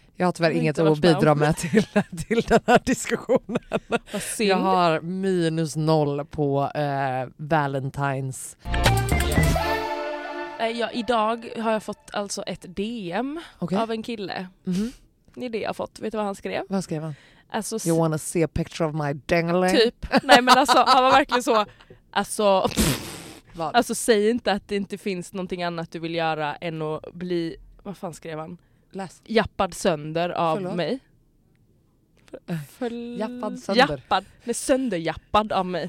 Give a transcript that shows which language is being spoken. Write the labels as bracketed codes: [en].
[sv] Jag har tyvärr inget att bidra med till den här diskussionen. Jag har minus noll på Valentine's. Ja, idag har jag fått alltså ett DM av en kille. Mm-hmm. Det är det jag har fått. Vet du vad han skrev? Vad skrev han? [en] Alltså, you wanna see a picture of my dangling? [sv] Typ. Nej, men alltså, han var verkligen så. Alltså, vad? Alltså, säg inte att det inte finns någonting annat du vill göra än att bli, vad fan skrev han? Läs. Jappad sönder av mig. Jappad sönder? Jappad. Nej, sönderjappad av mig.